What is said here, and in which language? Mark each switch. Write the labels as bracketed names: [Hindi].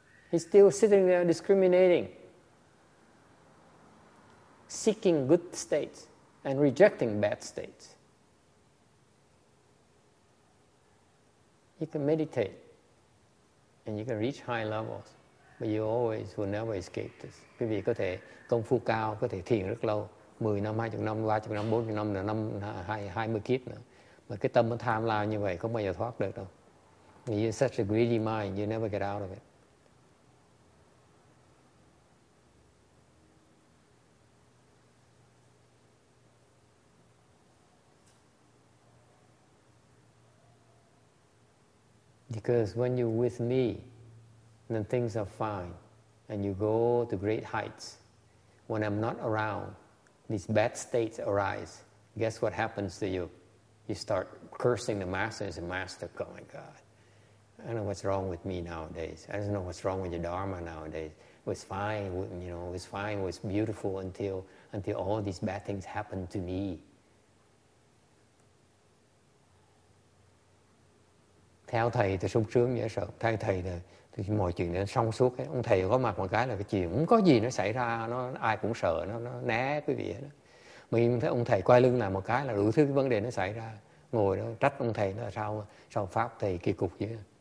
[English] He's still sitting there discriminating, seeking good states and rejecting bad states. You can meditate and you can reach high levels, but you always will never escape this. [Vietnamese] Quý vị có thể công phu cao, có thể thiền rất lâu, 10 năm, 20 năm, 30 năm, 40 năm, 50 năm, 20 kiếp nữa. Mà cái tâm nó tham lao như vậy không bao giờ thoát được đâu. [English] You're such a greedy mind, you never get out of it. Because when you're with me, then things are fine. And you go to great heights. When I'm not around, these bad states arise. Guess what happens to you? You start cursing the master. The master, oh my God, I don't know what's wrong with me nowadays. I don't know what's wrong with your dharma nowadays. It was fine, you know, it was fine, it was beautiful until all these bad things happened to me. [Vietnamese] Theo thầy thì sung sướng dễ sợ. Theo thầy thì mọi chuyện nó xong suốt. Ông thầy có mặt một cái là cái chuyện không có gì nó xảy ra, nó ai cũng sợ, nó né quý vị đó. Mình thấy ông thầy quay lưng lại một cái là đủ thứ cái vấn đề nó xảy ra. Ngồi đó trách ông thầy là sao pháp thầy kỳ cục vậy.